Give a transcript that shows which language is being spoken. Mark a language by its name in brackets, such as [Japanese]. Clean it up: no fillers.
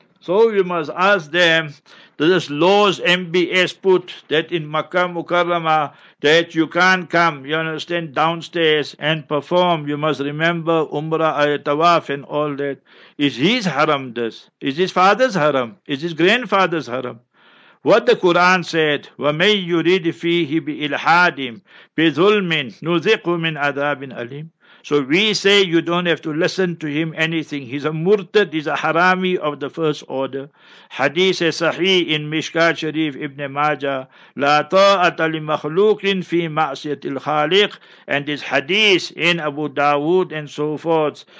[English] So you must ask them, this laws MBS put that in Makkah Mukarramah that you can't come, you understand, downstairs and perform. You must remember Umrah, Ayatawaf and all that. Is his haram this? Is his father's haram? Is his grandfather's haram? What the Quran said, [Arabic] وَمَنْ يُرِدْ فِيهِ بِإِلْحَادٍ بِظُلْمٍ نُذِقُ مِنْ عَذَابٍ أَلِيمٍ. [English] So we say you don't have to listen to him anything. He's a murtad, he's a harami of the first order. Hadith is sahih in Mishkat Sharif Ibn Majah. [Arabic] La ta'ata li makhlukin fi ma'siyatil khaliq. [English] And this hadith in Abu Dawood and so forth.